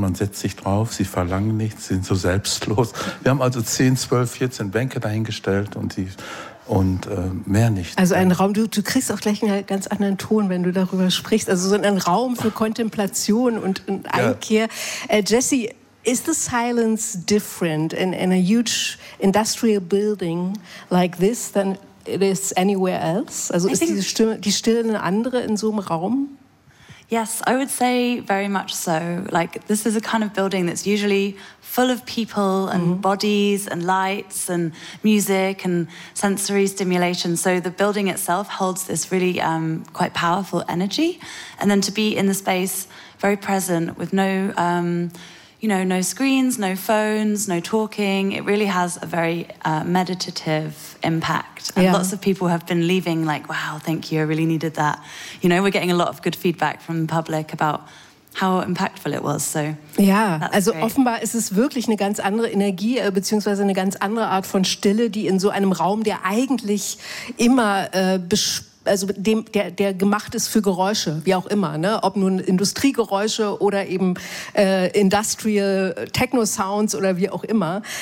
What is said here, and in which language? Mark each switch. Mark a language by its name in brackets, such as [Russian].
[German] Man setzt sich drauf, sie verlangen nichts, sind so selbstlos. Wir haben also 10, 12, 14 Bänke dahingestellt und mehr nicht. Also ein Raum, du kriegst auch gleich einen ganz anderen Ton, wenn du darüber sprichst. Also so ein Raum für Kontemplation und Einkehr. Ja. [English] Jesse, is the silence different in a huge industrial building like this than it is anywhere else? [German] Also ist die Stille eine andere in so einem Raum? [English] Yes, I would say very much so. Like, this is a kind of building that's usually full of people and bodies and lights and music and sensory stimulation. So the building itself holds this really quite powerful energy. And then to be in the space very present with no, no screens, no phones, no talking. It really has a very meditative impact. And yeah. Lots of people have been leaving like, wow, thank you, I really needed that. You know, we're getting a lot of good feedback from the public about how impactful it was. So [German] ja, also [English] great. [German] Offenbar ist es wirklich eine ganz andere Energie beziehungsweise eine ganz andere Art von Stille, die in so einem Raum, der eigentlich immer der gemacht ist für Geräusche, wie auch immer, ne? Ob nun Industriegeräusche oder eben Industrial Techno Sounds oder wie auch immer.